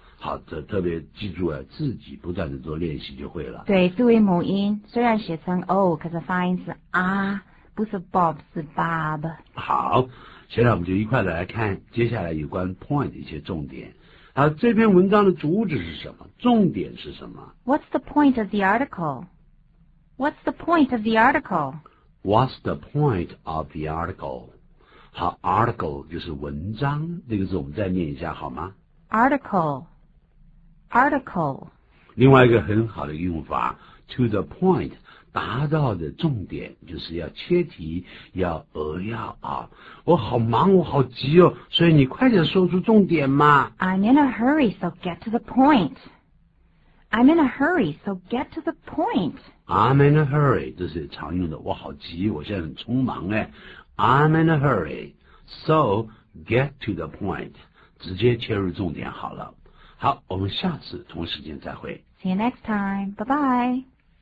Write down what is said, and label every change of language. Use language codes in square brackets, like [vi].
[zh] 好，特别记住了，自己不断的做练习就会了。对，作为母音，虽然写成 O， 可是发音是 啊， 不是 Bob， 是 Bob。好，现在我们就一块来看接下来有关 point 的一些重点。啊，这篇文章的主旨是什么？重点是什么 [en] ？What's the point of the article? What's the point of the article? What's the point of the article? [zh] 好 ，article 就是文章，这个字我们再念一下好吗 [en] ？Article, article. [zh] 另外一个很好的用法 ， [en] to the point， [zh] 达到的重点就是要切题，要扼要啊。我好忙，我好急哦，所以你快点说出重点嘛。 [en] I'm in a hurry, so get to the point. I'm in a hurry, so get to the point. I'm in a hurry， [zh] 这是常用的。我好急，我现在很匆忙哎。 [en] I'm in a hurry, so get to the point. [zh] 直接切入重点好了。好，我们下次同时间再会。 [en] See you next time. Bye bye.